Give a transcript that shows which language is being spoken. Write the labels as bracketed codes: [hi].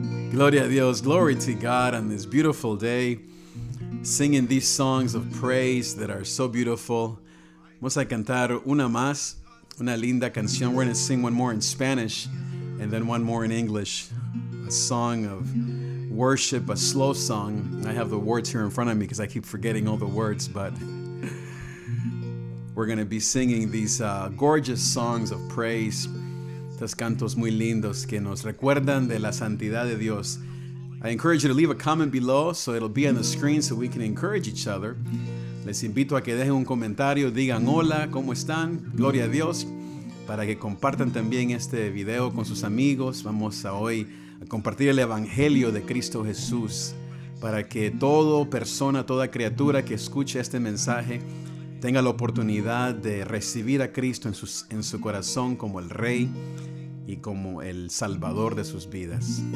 [es] Gloria a Dios, [en] glory to God on this beautiful day, singing these songs of praise that are so beautiful. [es] Vamos a cantar una más, una linda canción. [en] We're going to sing one more in Spanish and then one more in English. A song of worship, a slow song. I have the words here in front of me because I keep forgetting all the words, but we're going to be singing these gorgeous songs of praise. [es] Estos cantos muy lindos que nos recuerdan de la santidad de Dios. [en] I encourage you to leave a comment below so it'll be on the screen so we can encourage each other. [es] Les invito a que dejen un comentario, digan hola, ¿cómo están? Gloria a Dios. Para que compartan también este video con sus amigos. Vamos a hoy a compartir el Evangelio de Cristo Jesús. Para que toda persona, toda criatura que escuche este mensaje tenga la oportunidad de recibir a Cristo en su corazón como el Rey y como el Salvador de sus vidas.